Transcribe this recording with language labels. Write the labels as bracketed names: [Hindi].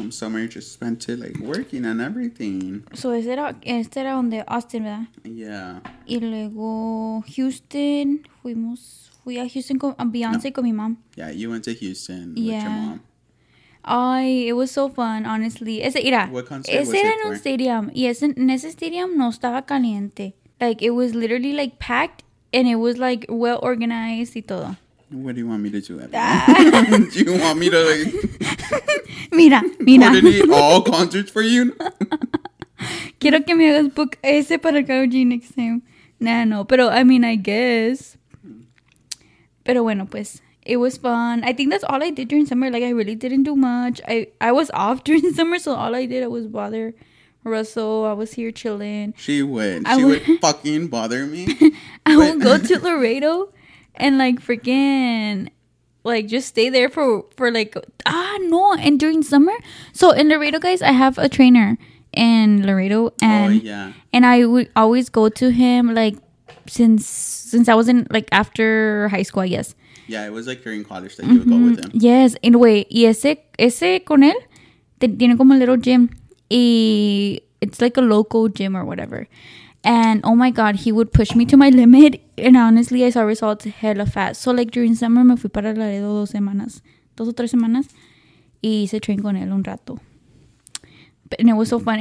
[English] Summer just spent it, like, working and everything. [Spanish] So, este era donde Austin, ¿verdad? [English] Yeah. [Spanish] Y luego Houston. Fui a Houston con Beyonce con mi mom. [English] Yeah, you went to Houston with your mom. Ay, it was so fun, honestly. [Spanish] Ese, mira. [English] What concert was it for? Ese [Spanish] era en un stadium. Y ese, en ese stadium no estaba caliente. [English] Like, it was literally, like, packed. And it was, like, well organized [Spanish] y todo. [English] What do you want me to do, Evan? Do you want me to, like... [Spanish] Mira. [English] Coordinate all concerts for you? [Spanish] Quiero que me hagas book ese para Karol G [English] next time. Nah, no. Pero, I mean, I guess. [Spanish] Pero bueno, pues, [English] it was fun. I think that's all I did during summer. Like, I really didn't do much. I was off during summer, so all I did was bother Russell. I was here chilling. She would fucking bother me. I would go to Laredo. And, like, freaking, like, just stay there for like, no. And during summer, so in Laredo, guys, I have a trainer in Laredo. And, oh, yeah. And I would always go to him, like, since I was in, like, after high school, I guess. Yeah, it was, like, during college that mm-hmm. you would go with him. Yes, in a way. [Spanish] Y ese con él tiene como [English] a little gym. Y it's, like, a local gym or whatever. And, oh, my God, he would push me to my limit. And honestly, I saw results hella fast. So, like, during summer, [Spanish] me fui para Laredo dos o tres semanas. Y hice train con él un rato. [English] But, and it was so fun.